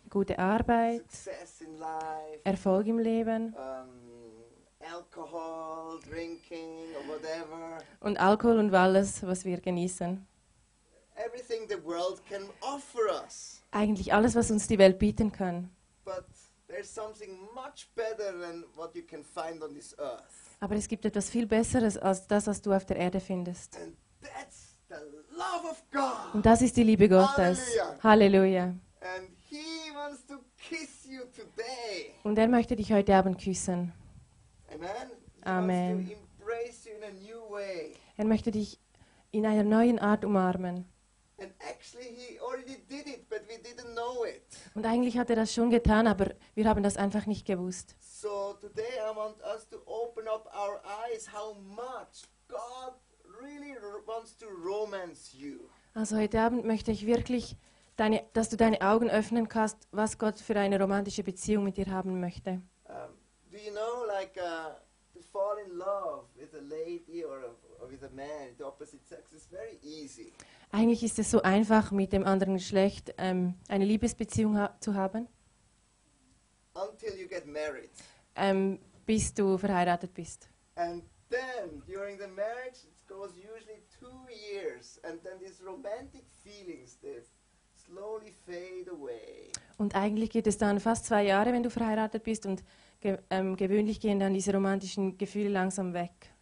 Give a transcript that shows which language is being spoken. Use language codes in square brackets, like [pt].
[de] Gute Arbeit. [en] Success in life. [de] Erfolg im Leben. [en] Alcohol, drinking or whatever. [de] Und Alkohol und alles, was wir genießen. [en] Everything the world can offer us. [de] Eigentlich alles, was uns die Welt bieten kann. [en] But there's something much better than what you can find on this earth. [de] Aber es gibt etwas viel Besseres als das, was du auf der Erde findest. [en] And that's the love of God. [de] Und das ist die Liebe Gottes. Halleluja. [en] And he wants to kiss you today. [de] Und er möchte dich heute Abend küssen. Amen. Amen. [en] He wants to embrace you in a new way. way. [de] Er möchte dich in einer neuen Art umarmen. [en] And actually he already did it, but we didn't know it. [de] Und eigentlich hat er das schon getan, aber wir haben das einfach nicht gewusst. [en] So today I want us to open up our eyes how much God really wants to romance you. [de] Also heute Abend möchte ich wirklich, dass du deine Augen öffnen kannst, was Gott für eine romantische Beziehung mit dir haben möchte. [en] Do you know, like, to fall in love with a lady or with a man, the opposite sex is very easy. [de] Eigentlich ist es so einfach, mit dem anderen Geschlecht eine Liebesbeziehung zu haben. [en] Until you get married. [de] Bis du verheiratet bist. [en] And then, during the marriage, it goes usually 2 years, and then these romantic feelings, they slowly fade away. [de] Und eigentlich geht es dann fast 2 Jahre, wenn du verheiratet bist, und gewöhnlich gehen dann diese romantischen Gefühle langsam weg.